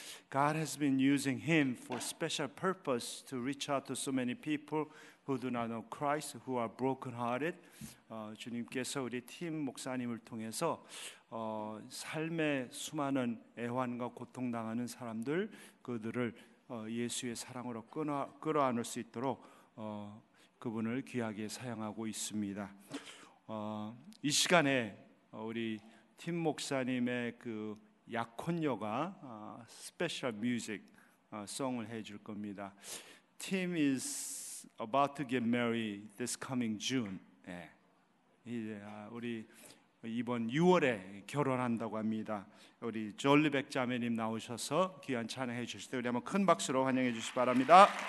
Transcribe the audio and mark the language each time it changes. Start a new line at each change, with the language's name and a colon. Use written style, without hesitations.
English: God has been using him for special purpose to reach out to so many people who do not know Christ, who are brokenhearted.
Korean: 주님께서 우리 팀 목사님을 통해서 삶의 수많은 애환과 고통 당하는 사람들 그들을 예수의 사랑으로 끌어안을 수 있도록 그분을 귀하게 사용하고 있습니다. 이 시간에 우리 팀 목사님의 그 약혼녀가 스페셜 뮤직 송을 해줄 겁니다.
English: Tim is about to get married this coming June.
Korean: 이제 우리 이번 6월에 결혼한다고 합니다. 우리 졸리백 자매님 나오셔서 귀한 찬양해 주실 때 우리 한번 큰 박수로 환영해 주시기 바랍니다.